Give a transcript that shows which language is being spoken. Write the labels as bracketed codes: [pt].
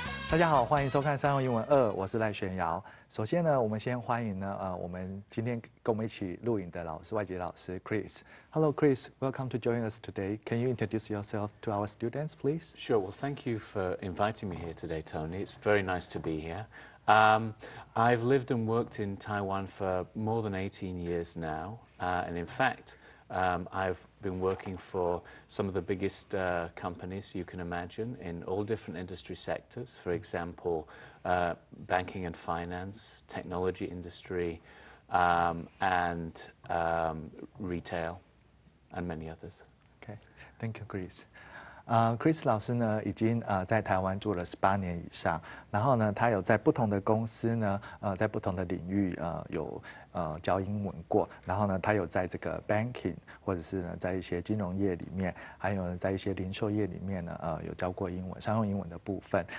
[zh] 大家好，欢迎收看《商用英文二》，我是赖玄尧。首先呢，我们先欢迎呢，我们今天跟我们一起录影的老师，外籍老师 Chris。 [en] Hello, Chris. Welcome to join us today. Can you introduce yourself to our students, please? Sure. Well, thank you for inviting me here today, Tony. It's very nice to be here. I've lived and worked in Taiwan for more than 18 years now, and in fact, I've been working for some of the biggest companies you can imagine in all different industry sectors. For example, banking and finance, technology industry, and retail, and many others. Thank you, Chris. [zh] Chris 老师呢，已经在台湾住了18年以上，然后呢，他有在不同的公司呢，在不同的领域有教英文过，然后呢，他有在这个 banking 或者是呢，在一些金融业里面，还有呢，在一些零售业里面呢，有教过英文，商用英文的部分。